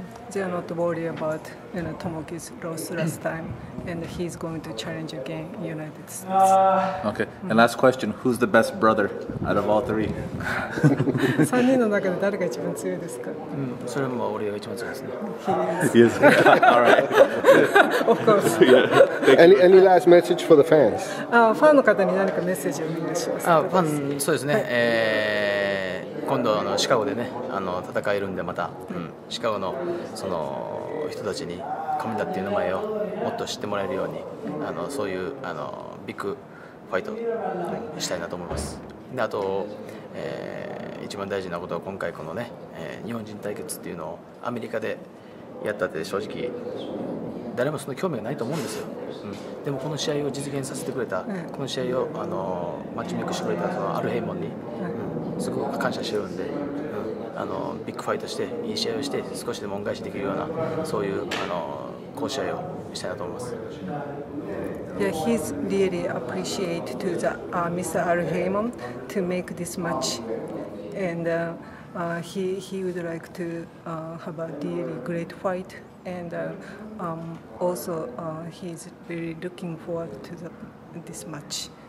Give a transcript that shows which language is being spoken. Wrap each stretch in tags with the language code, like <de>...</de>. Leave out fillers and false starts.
<en>They are not worried about, you know, Tomoki's loss last time, and he's going to challenge again in the United States. Okay, and last question, who's the best brother out of all three? Three in the</en> <ja>中で誰が一番強いですか？それも俺が一番強いですね。</ja> <en>He is. Yes. All right. Of course. Yeah. Any last message for the fans?</en> <ja>ファンの方に何かメッセージをお願いします。ファン、そうですね。今度あのシカゴでね、あの戦えるんで、また、シカゴのその人たちにカメダっていう名前をもっと知ってもらえるように、あのそういうあのビッグファイトしたいなと思います。であと、一番大事なことは今回このね、日本人対決っていうのをアメリカでやったって、正直誰もその興味がないと思うんですよ。でもこの試合を実現させてくれた、この試合をあのマッチメイクしてくれたそのアルヘイモンに、すごく感謝してるんで、あのビッグファイトしていい試合をして、少しでも恩返しできるようなそういうあの好試合をしたいなと思います。</ja> <en>Yeah, he's really appreciate to the Mr. Al Heyman to make this match, and he would like to have a really great fight, and also he's very looking forward to this match.</en>